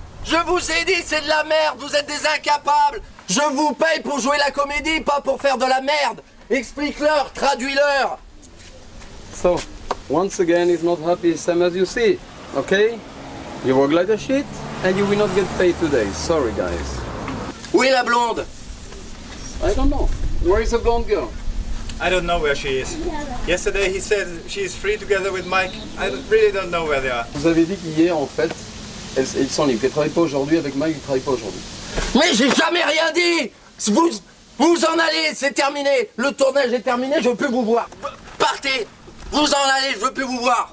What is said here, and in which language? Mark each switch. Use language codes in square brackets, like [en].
[fr] Je vous ai dit, c'est de la merde. Vous êtes des incapables. Je vous paye pour jouer la comédie, pas pour faire de la merde. Explique-leur, traduis-leur. [en] So, once again, he's not happy, same as you see. Okay? You work like a shit, and you will not get paid today. Sorry, guys. [fr] Où est la blonde? [en] I don't know. Where is the blonde girl? I don't know where she is. Yesterday he said she is free together with Mike. I really don't know where they are. [fr] Vous avez dit qu'hier en fait, elles sont libres. Elles travaillent pas aujourd'hui avec Mike, elles travaillent pas aujourd'hui. Mais j'ai jamais rien dit. Vous en allez, c'est terminé. Le tournage est terminé, je veux plus vous voir. Partez. Vous en allez, je veux plus vous voir.